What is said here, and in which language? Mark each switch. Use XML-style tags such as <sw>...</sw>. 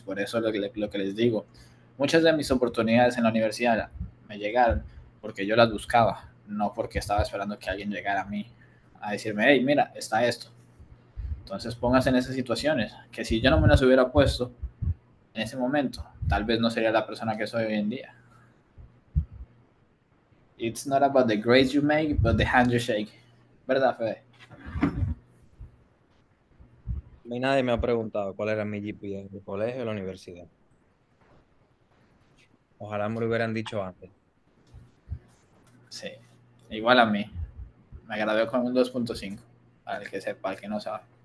<es>Por eso lo que les digo, muchas de mis oportunidades en la universidad me llegaron porque yo las buscaba, no porque estaba esperando que alguien llegara a mí a decirme, hey, mira, está esto. Entonces póngase en esas situaciones, que si yo no me las hubiera puesto en ese momento, tal vez no sería la persona que soy hoy en día.</es> <en>It's not about the grades you make, but the hand you shake.</en> <es>¿Verdad, Fede? A mí nadie me ha preguntado cuál era mi GPA en el colegio o la universidad. Ojalá me lo hubieran dicho antes. Sí, igual a mí. Me gradué con un 2.5, para el que sepa, para el que no sabe.</es>